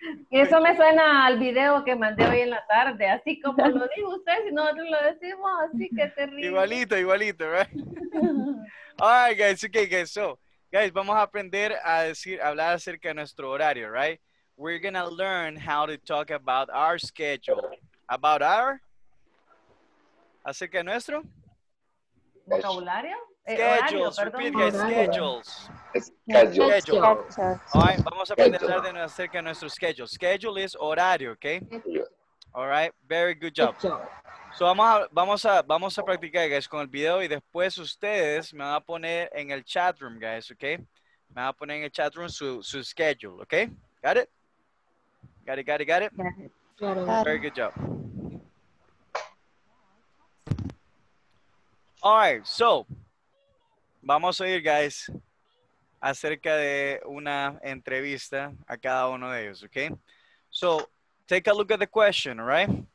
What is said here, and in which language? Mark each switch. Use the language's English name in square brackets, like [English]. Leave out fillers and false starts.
[Spanish] Eso me suena al video que mandé hoy en la tarde. Así como lo dijo usted, si nosotros lo decimos, así que terrible. [English] Igualito, right? All right, guys. Okay, guys. So. [Spanish] Guys, vamos a aprender a decir, a hablar acerca de nuestro horario, right? [English] We're going to learn how to talk about our schedule. About our? [Spanish] Acerca de nuestro? ¿Vocabulario? [English] Schedules. Horario, repeat, guys. Schedules. Schedule. All right, [Spanish] vamos a aprender a de acerca de nuestro schedule. [English] Schedule is horario, okay? All right, very good job. [Spanish] So vamos a practicar, guys, con el video y después ustedes me van a poner en el chat room, guys, okay? Me van a poner en el chat room su schedule, okay? [English] Got it? Got it. Got it. Very good job. All right, so [Spanish] vamos a oír, guys, acerca de una entrevista a cada uno de ellos, okay? [English] So take a look at the question, all right?